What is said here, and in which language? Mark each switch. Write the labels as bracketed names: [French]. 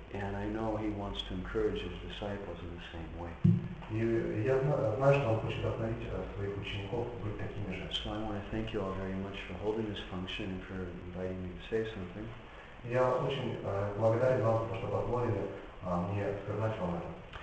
[English] And I know he wants to encourage his disciples in the same way. [Russian] И я знаю, что он хочет вдохновить своих учеников быть такими же. [English] So I want to thank you all very much for holding this function and for inviting me to say something. [Russian] Я очень благодарен вам, что позволили мне сказать вам это.